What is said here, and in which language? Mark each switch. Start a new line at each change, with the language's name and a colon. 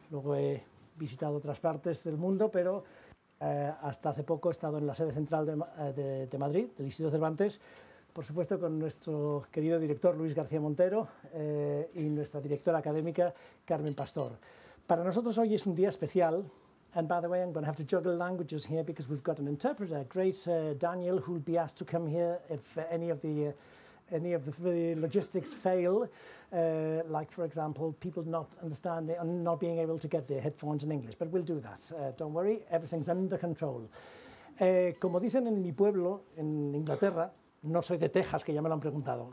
Spanish: Luego he visitado otras partes del mundo, pero hasta hace poco he estado en la sede central de Madrid, del Instituto Cervantes, por supuesto con nuestro querido director Luis García Montero y nuestra directora académica Carmen Pastor. Para nosotros hoy es un día especial.
English: And by the way, I'm going to have to juggle languages here because we've got an interpreter, great Daniel, who'll be asked to come here if any of the logistics fail, like for example people not understanding and not being able to get their headphones in English. But we'll do that. Don't worry, everything's under control.
Spanish: Como dicen en mi pueblo, en Inglaterra, no soy de Texas, que ya me lo han preguntado.